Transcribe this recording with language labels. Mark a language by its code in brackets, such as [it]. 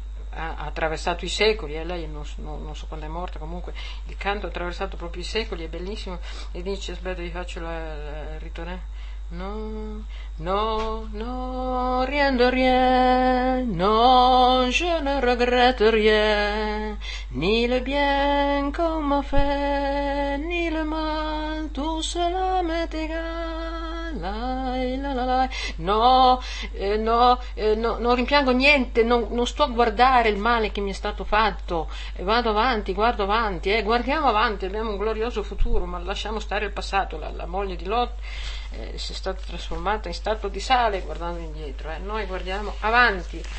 [it] ha attraversato i secoli, lei non so quando è morta, comunque il canto ha attraversato proprio i secoli, è bellissimo, e dice, aspetta, vi faccio il ritornello. [fr] No, no, no, rien de rien, non je ne regrette rien, ni le bien qu'on m'a fait, ni le mal, tout cela m'est égal, la, la, la, la. [it] No, no, no, non rimpiango niente, non sto a guardare il male che mi è stato fatto, vado avanti, guardo avanti, guardiamo avanti, abbiamo un glorioso futuro, ma lasciamo stare il passato, la moglie di Lot. Si è stata trasformata in statua di sale guardando indietro, noi guardiamo avanti.